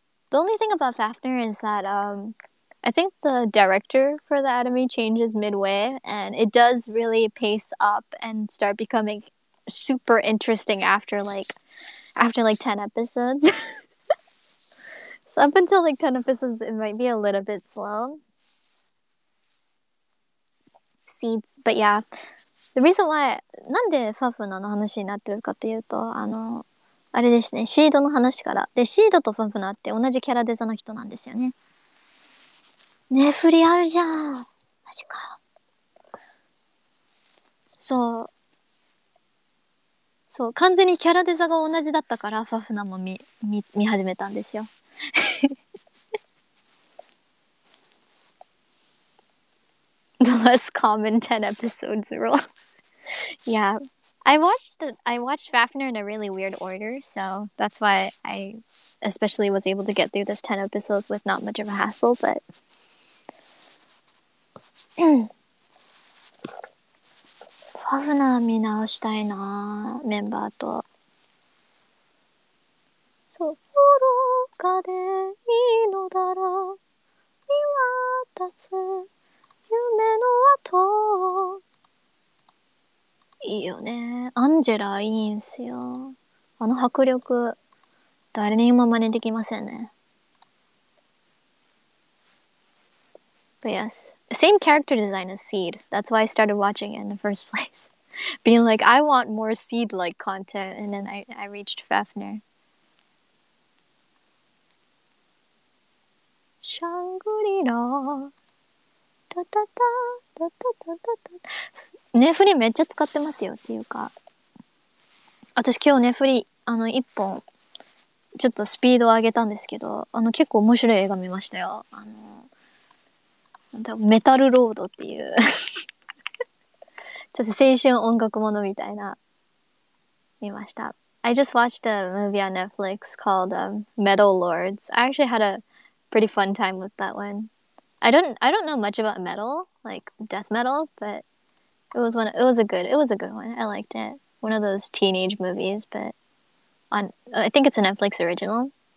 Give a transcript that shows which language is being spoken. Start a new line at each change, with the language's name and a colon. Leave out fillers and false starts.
English: The only thing about Fafner is that I think the director for the anime changes midway, and it does really pace up and start becoming super interesting after like 10 episodes. So up until like 10 episodes, it might be a little bit slow. Seeds, but yeah. The reason why,
Japanese: なんでファフナの話になってるかっていうと、あの、あれですね、シードの話から。で、シードとファフナって同じキャラデザの人なんですよね。ネフリあるじゃん。マジか。そう、完全にキャラデザが同じだったから、ファフナも見始めたんですよ。
English: The less common 10 episodes rule. Yeah. I watched Fafner in a really weird order, so that's why I especially was able to get through this 10 episodes with not much of a hassle, but...
Japanese: Fafner 見直したいな、メンバーと。そう、愚かでいいのだろう、見渡す夢の後。いいよね。アンジェラいいんすよ。あの迫力、誰にも真似できませんね。
English: But yes, same character design as Seed. That's why I started watching it in the first place. Being like, I want more Seed-like content. And then I reached Fafner.
Japanese: シャングリラ。タタタ、タタタタタ。ネフリめっちゃ使ってますよっていうか、私今日ネフリあの1本ちょっとスピードを上げたんですけど、あの結構面白い映画見ましたよ。あのメタルロードっていうちょっと青春音楽ものみたいな見ました。
English: I just watched a movie on Netflix called Metal Lords. I actually had a pretty fun time with that one. I don't know much about metal, like death metal, butIt was a good one. I liked it. One of those teenage movies, but I think it's a Netflix original.